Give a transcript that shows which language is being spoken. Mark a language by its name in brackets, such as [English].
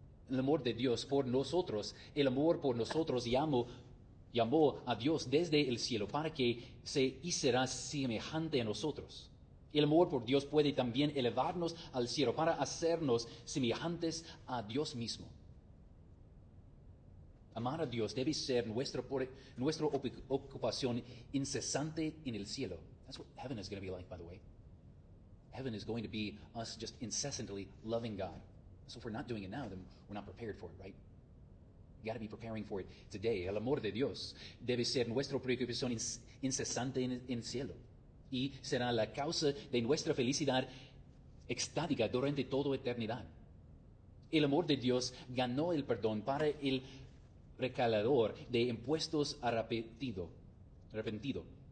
[Spanish] El amor de Dios por nosotros, el amor por nosotros llamó a Dios desde el cielo para que se hiciera semejante a nosotros. El amor por Dios puede también elevarnos al cielo para hacernos semejantes a Dios mismo. Amar a Dios debe ser nuestra ocupación incesante en el cielo. [English] That's what heaven is going to be like, by the way. Heaven is going to be us just incessantly loving God. So if we're not doing it now, then we're not prepared for it, right? You got to be preparing for it today. [Spanish] El amor de Dios debe ser nuestra preocupación incesante en el cielo. Y será la causa de nuestra felicidad extática durante toda eternidad. El amor de Dios ganó el perdón para el recalador de impuestos arrepentido.